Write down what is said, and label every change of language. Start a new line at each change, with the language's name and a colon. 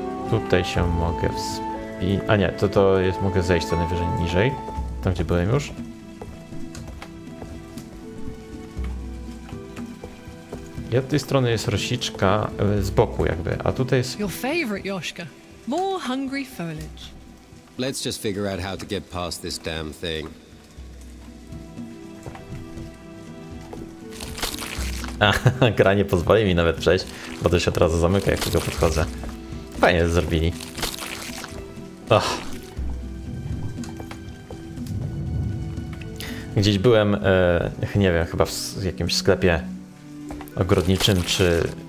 Polish: Tutaj się mogę A nie, to jest... Mogę zejść co najwyżej niżej. Tam, gdzie byłem już. I od tej strony jest rosiczka z boku jakby, a tutaj jest...
English: Your favorite, Yoshka. More hungry foliage. Let's just figure out how to get past this damn thing.
Polish: Gra nie pozwoli mi nawet przejść, bo to się od razu zamyka, jak tylko podchodzę. Fajnie zrobili. Och. Gdzieś byłem, nie wiem, chyba w jakimś sklepie ogrodniczym, czy...